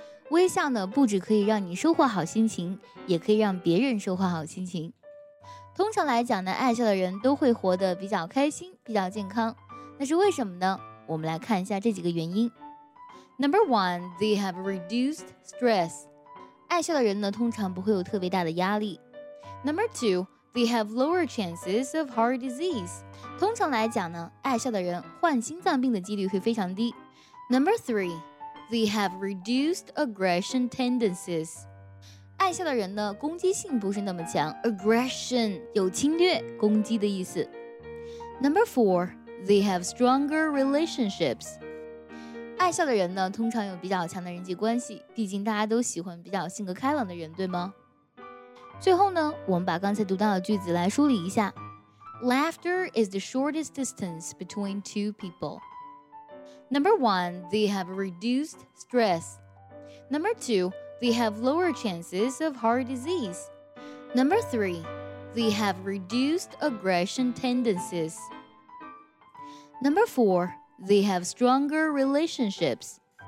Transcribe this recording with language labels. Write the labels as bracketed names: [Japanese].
[Chinese] 微笑呢，不只可以让你收获好心情，也可以让别人收获好心情。通常来讲呢，爱笑的人都会活得比较开心，比较健康。那是为什么呢？我们来看一下这几个原因。 [English] Number one, they have reduced stress. [Chinese] 爱笑的人呢，通常不会有特别大的压力。 [English] Number two, they have lower chances of heart disease. [Chinese] 通常来讲呢，爱笑的人患心脏病的几率会非常低。 [English] Number three, they have reduced aggression tendencies. [Chinese] 爱笑的人呢，攻击性不是那么强。 [English] Aggression [Chinese] 有侵略、攻击的意思。 [English] Number four, they have stronger relationships. [Chinese] 爱笑的人呢，通常有比较强的人际关系。毕竟大家都喜欢比较性格开朗的人，对吗？最后呢，我们把刚才读到的句子来梳理一下。 [English] Laughter is the shortest distance between two people. Number one, they have reduced stress. Number two,They have lower chances of heart disease. Number three, they have reduced aggression tendencies. Number four, they have stronger relationships.